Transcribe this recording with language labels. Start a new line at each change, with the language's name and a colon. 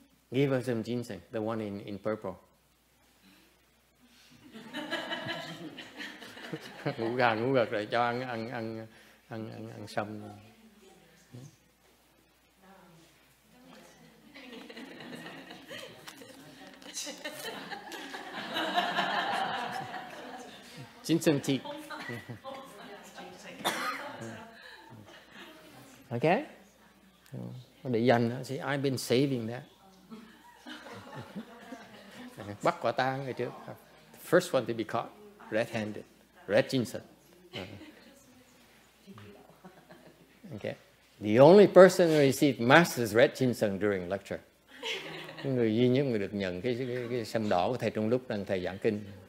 English: Give us some ginseng, the one in purple.
Vietnamese: Ngủ gà ngủ gật rồi cho ăn sâm.
English: Ginseng tea. Okay?
Vietnamese: để dành đó.
English: See, I've been saving that.
Vietnamese: Bắt quả tang ngày trước.
English: First one to be caught, red-handed, red jinsen. Okay. The only person who received master's red jinsen during lecture.
Vietnamese: Người duy nhất người được nhận cái sâm đỏ của thầy trong lúc đang thầy giảng kinh.